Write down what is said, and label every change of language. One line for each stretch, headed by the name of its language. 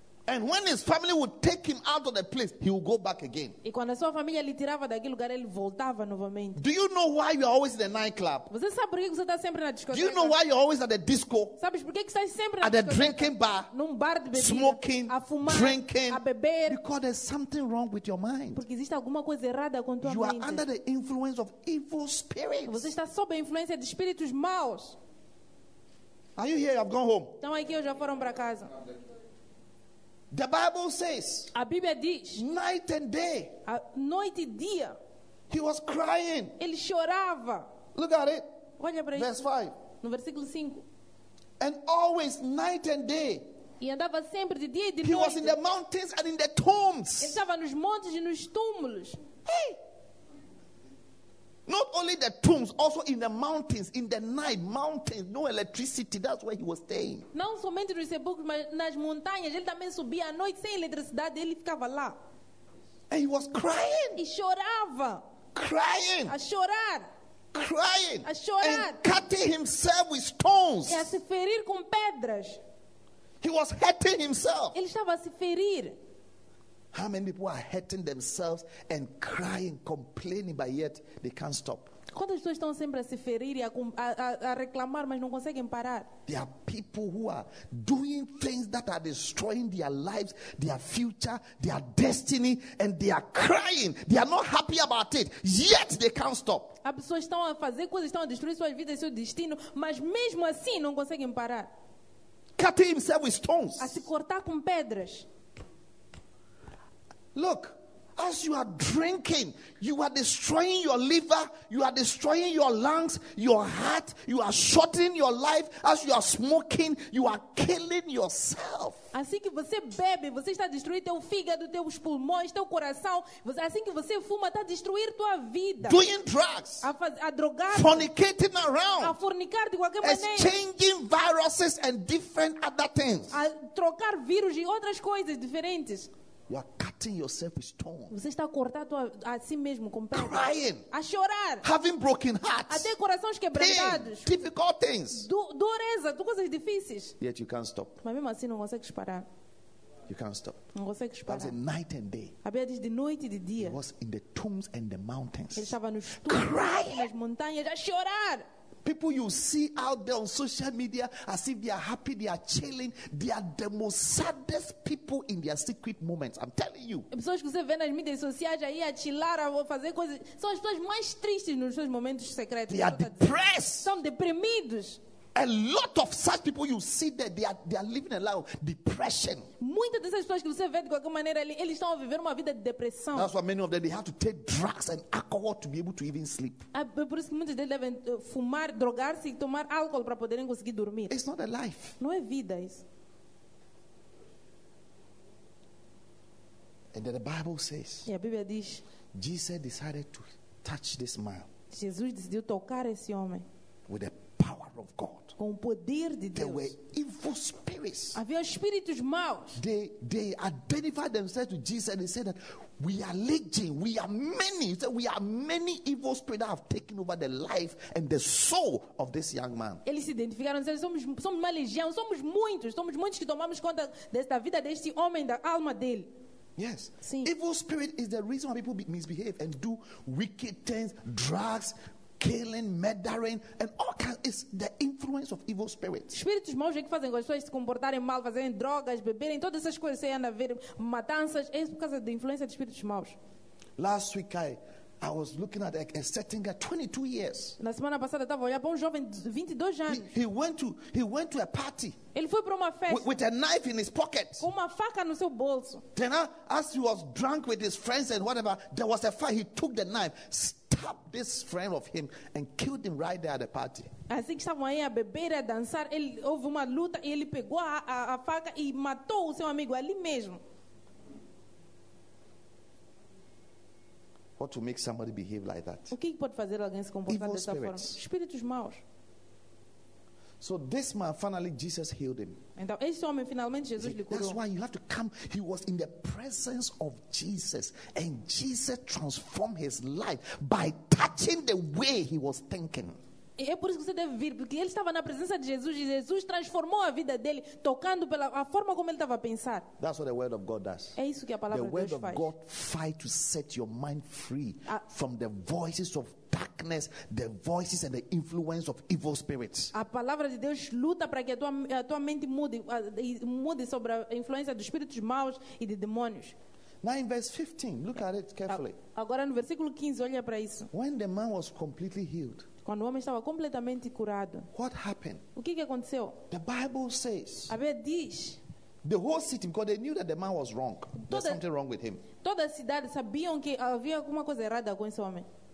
English: And when his family would take him out of the place, he would go back again.
Portuguese: E quando a sua família lhe tirava daquele lugar, ele voltava novamente.
English: Do you know why you are always in the nightclub?
Portuguese: Você sabe por que você está sempre na discoteca?
English: Do you know why you are always at the disco?
Portuguese: Sabes por que você está sempre na
English: at
Portuguese: discoteca?
English: A drinking bar,
Portuguese: num bar de bebida,
English: smoking,
Portuguese: a fumar,
English: drinking,
Portuguese: a beber.
English: Because there's something wrong with your mind.
Portuguese: Porque existe alguma coisa errada com tua
English: you You are under the influence of evil spirits.
Portuguese: Você está sob a influência de espíritos maus.
English: Are you here? I've gone home.
Portuguese: Estão aqui ou já foram para casa?
English: The Bible says,
Portuguese: a Bíblia diz,
English: night and day,
Portuguese: a noite e dia,
English: he was crying.
Portuguese: Ele chorava.
English: Look at it.
Portuguese: Olha para
English: verse
Portuguese: isso.
English: 5.
Portuguese: No versículo 5.
English: And always, night and day,
Portuguese: e andava sempre de dia e de
English: he
Portuguese: noite.
English: Was in the mountains and in the tombs.
Portuguese: Ele estava nos montes e nos túmulos.
English: Hey! Not only the tombs, also in the mountains, in the night, mountains, no electricity, that's where he was staying.
Portuguese: Não somente nos sepulcros, mas nas montanhas, ele também subia à noite sem eletricidade, ele ficava lá.
English: And he was crying.
Portuguese: E chorava.
English: Crying.
Portuguese: A chorar.
English: Crying.
Portuguese: A chorar.
English: And cutting himself with stones.
Portuguese: E a se ferir com pedras.
English: He was hurting himself.
Portuguese: Ele estava a se ferir.
English: How many people are hurting themselves and crying, complaining, but yet they can't stop?
Portuguese: Quantas pessoas estão sempre a se ferir e a reclamar, mas não conseguem parar?
English: There are people who are doing things that are destroying their lives, their future, their destiny, and they are crying. They are not happy about it, yet they can't stop.
Portuguese: As pessoas estão a fazer coisas, estão a destruir suas vidas e seu destino, mas mesmo assim não conseguem parar.
English: Cutting himself with stones.
Portuguese: A se cortar com pedras.
English: Look, as you are drinking, you are destroying your liver, you are destroying your lungs, your heart, you are shortening your life. As you are smoking, you are killing yourself.
Portuguese: Assim que você bebe, você está destruindo teu fígado, teus pulmões, teu coração. Assim que você fuma, está destruindo tua vida.
English: Doing drugs.
Portuguese: A drogar.
English: Fornicating around.
Portuguese: A fornicar de qualquer maneira.
English: Exchanging viruses and different other things.
Portuguese: A trocar vírus e outras coisas diferentes.
English: You are cutting yourself with stones.
Portuguese: Você está cortando a si mesmo com pedras.
English: Crying.
Portuguese: A chorar.
English: Having broken hearts.
Portuguese: A ter corações quebrantados.
English: Pain. Difficult things.
Portuguese: Dureza. Coisas difíceis.
English: Yet you can't stop.
Portuguese: Mas mesmo assim não consegues parar.
English: You can't stop.
Portuguese: Não consegues parar.
English: That's a night and day.
Portuguese: A Bíblia diz de noite e de dia.
English: He was in the tombs and the mountains.
Portuguese: Ele estava nos túmulos. Nas montanhas. A chorar.
English: People you see out there on social media, as if they are happy, they are chilling, they are the most saddest people in their secret moments. I'm telling you.
Portuguese: Pessoas que você vê nas mídias sociais aí a chilar, a fazer coisas, são as pessoas mais tristes nos seus momentos secretos.
English: They are depressed.
Portuguese: São deprimidos.
English: A lot of such people you see there, they are living a life of depression.
Portuguese: Muitas dessas pessoas que você vê de qualquer maneira ali, eles estão a viver uma vida de depressão.
English: That's why many of them, they have to take drugs and alcohol to be able to even sleep.
Portuguese: É por isso que muitos deles devem fumar, drogar-se e tomar álcool para poderem conseguir dormir.
English: It's not a life.
Portuguese: Não é vida isso.
English: And then the Bible says,
Portuguese: e a Bíblia diz,
English: Jesus decided to touch this man.
Portuguese: Jesus decidiu tocar esse homem.
English: With the power of God.
Portuguese: Com o poder de Deus.
English: There were evil spirits.
Portuguese: Havia espíritos maus.
English: They identified themselves to Jesus and they said that we are legion, we are many. He said, we are many evil spirits that have taken over the life and the soul of this young man.
Portuguese: Eles se identificaram, disseram, somos uma legião, somos muitos que tomamos conta desta vida deste homem, da alma dele.
English: Yes.
Portuguese: Sim.
English: Evil spirit is the reason why people misbehave and do wicked things, drugs, killing, murdering, and all kinds. It's the influence of evil spirits.
Portuguese: Espíritos maus é que fazem com as pessoas se comportarem mal, fazerem drogas, beberem, todas essas coisas, aí andam a ver matanças, é por causa da influência de espíritos maus.
English: Last week I was looking at a certain guy, 22 years.
Portuguese: Na semana passada estava olhando para um jovem de 22 anos.
English: He went to a party.
Portuguese: Ele foi para uma festa.
English: With a knife in his pocket.
Portuguese: Com uma faca no seu bolso.
English: Then as he was drunk with his friends and whatever, there was a fight. He took the knife, stabbed this friend of him, and killed him right there at the party.
Portuguese: Assim que estavam aí a beber, a dançar, ele houve uma luta e ele pegou a faca e matou o seu amigo ali mesmo.
English: What will make somebody behave like that?
Portuguese: O que pode fazer alguém se comportar
English: evil
Portuguese: dessa
English: spirits.
Portuguese: Forma? Espíritos maus.
English: So this man finally Jesus healed him.
Portuguese: Então esse homem finalmente Jesus lhe curou.
English: That's why you have to come. He was in the presence of Jesus, and Jesus transformed his life by touching the way he was thinking.
Portuguese: E é por isso que você deve vir, porque ele estava na presença de Jesus e Jesus transformou a vida dele tocando pela a forma como ele estava a pensar.
English: That's what the word of God does.
Portuguese: É isso que a palavra
English: the
Portuguese: de Deus faz.
English: The word of God fight to set your mind free from the voices of darkness, the voices and the influence of evil spirits.
Portuguese: A palavra de Deus luta para que a tua mente mude mude sobre a influência dos espíritos maus e de demônios.
English: Now in verse 15, look at it carefully.
Portuguese: Agora no versículo 15, olha para isso.
English: When the man was completely healed.
Portuguese: Quando o homem estava completamente curado.
English: What happened?
Portuguese: O que aconteceu?
English: The Bible says.
Portuguese: A Bíblia diz.
English: The whole city, because they knew that the man was wrong. There's something wrong with him.
Portuguese: Toda a cidade sabia que havia alguma coisa errada com esse homem.